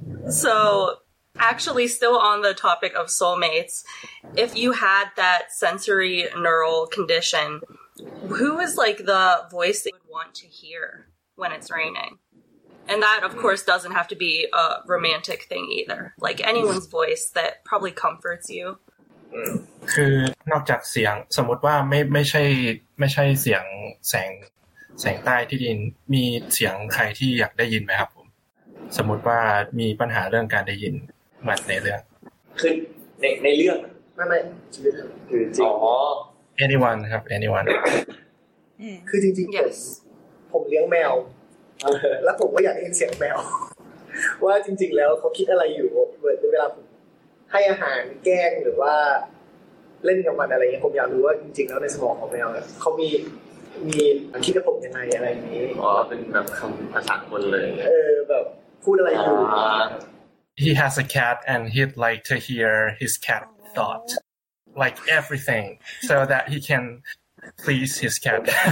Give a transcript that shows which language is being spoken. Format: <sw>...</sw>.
<en>So, actually, still on the topic of soulmates, if you had that sensory neural condition, who is like the voice that you would want to hear when it's raining? And that, of course, doesn't have to be a romantic thing either. Like, anyone's voice that probably comforts you.</en> <th>คือนอกจากเสียงสมมติว่าไม่ใช่เสียงแสงใต้ที่ดินมีเสียงใครที่อยากได้ยินไหมครับผมสมมติว่ามีปัญหาเรื่องการได้ยินมันในเรื่อง คือในเรื่อง ไม่ คือจริ ง</th> <en>anyone ครับ anyone</en> <th>คือจริงๆ</th> <en>yes</en> <th>ผมเลี้ยงแมวแล้วผมก็อยากได้ยินเสียงแมวว่าจริงๆแล้วเขาคิดอะไรอยู่เวลาผมให้อาหารแกงหรือว่าเล่นกับมันอะไรเงี้ยผมอยากรู้ว่าจริงๆแล้วในสมองของแมวเขามีคิดกับผมยังไงอะไรนี้ อ๋ อเป็นแบบคำภาษาคนเลย แบบพูดอะไรอยู่</th> <en>He has a cat and he'd like to hear his cat thought like everything so that he can please his cat</en>